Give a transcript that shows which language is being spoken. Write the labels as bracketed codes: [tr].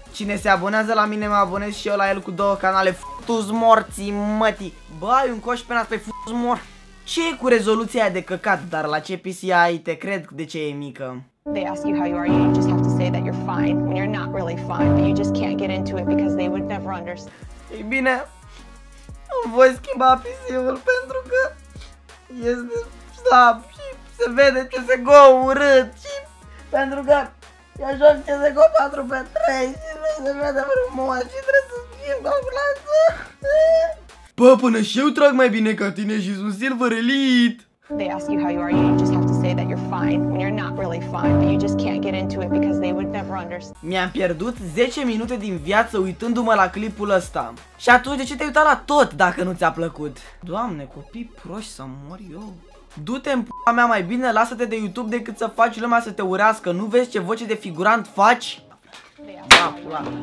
[ro] Cine se abonează la mine, mă abonez și eu la el cu două canale. F***u-ți morții mătii! Bă, ai un coș pe nas, pe f***u-ți mor... Ce e cu rezoluția aia de căcat, dar la ce PC ai, te cred de ce e mică? [en] They ask you how you are, you just have to say that you're fine when you're not really fine, but you just can't get into it because they would never understand. [ro] Ei bine, îmi voi schimba PC-ul pentru că este slab și se vede CSGO urât și pentru că eu joc CSGO 4x3 și nu se vede frumos și trebuie să schimb ambulanță. Bă, până și eu trag mai bine ca tine și sunt Silver Elite. [en] They ask you how you are, you just have to say that you're fine when you're not really fine, but you just can't get into it because they would never understand. [ro] Mi-am pierdut 10 minute din viață uitându-mă la clipul ăsta. Și atunci de ce te-ai uitat la tot dacă nu ți-a plăcut? Doamne, copii proști, să mor eu. Du-te în p***a mea, mai bine lasă-te de YouTube decât să faci lumea să te urească. Nu vezi ce voce de figurant faci? Da, pula.